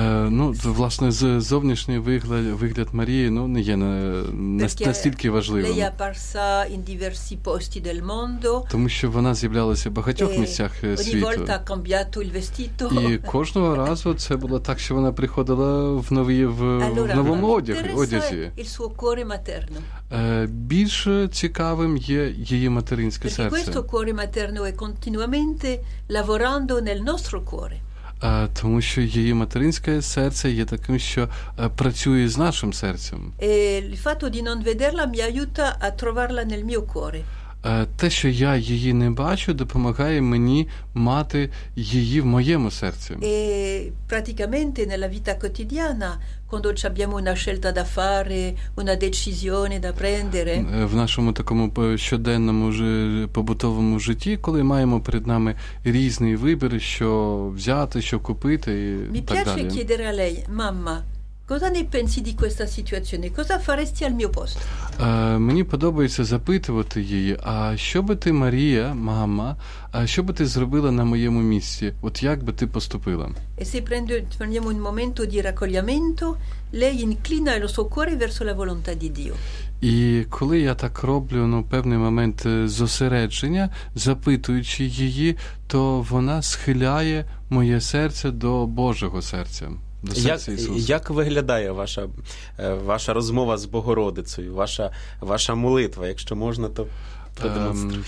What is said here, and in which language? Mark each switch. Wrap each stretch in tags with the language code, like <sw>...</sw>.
<uk>Ну, власне, зовнішній вигляд Марії, ну, не є настільки важливим.</uk> <it>Lei è apparsa in diversi posti del mondo.</it> <uk>Тому що вона з'являлася в багатьох місцях світу.</uk> <it>Ogni volta ha cambiato il vestito.</it> <uk>І кожного разу це було так, що вона приходила в новому одязі.</uk> <it>Il suo cuore materno.</it> <uk>Більш цікавим є її материнське</uk> <it>Perché</it> <uk>серце.</uk> <it>Questo cuore materno è continuamente lavorando nel nostro cuore.</it> <uk>Тому що її материнське серце є таким, що працює з нашим серцем.</uk> <it>E il fatto di non vederla mi aiuta a trovarla nel mio cuore.</it> <uk>Те, що я її не бачу, допомагає мені мати її в моєму серці.</uk> <it>E praticamente nella vita quotidiana, quando abbiamo una scelta da fare, una decisione da prendere,</it> <uk>в нашому такому щоденному побутовому житті, коли маємо перед нами різний вибір, що взяти, що купити і</uk> <it>mi</it> <uk>так далі.</uk> <it>Mi piace chiedere a lei, mamma. Cosa ne pensi di questa situazione? Cosa faresti al mio posto?</it> <uk>Мені подобається запитувати її, а що би ти, Марія, мама, а що би ти зробила на моєму місці? От як би ти поступила?</uk> <it>E se prendiamo un momento di raccogliamento, lei inclina il suo cuore verso la volontà di Dio.</it> <uk>І коли я так роблю, ну, певний момент зосередження, запитуючи її, то вона схиляє моє серце до Божого серця, до серця Ісуса. Як виглядає ваша розмова з Богородицею, ваша молитва, якщо можна, то продемонструйте.</uk>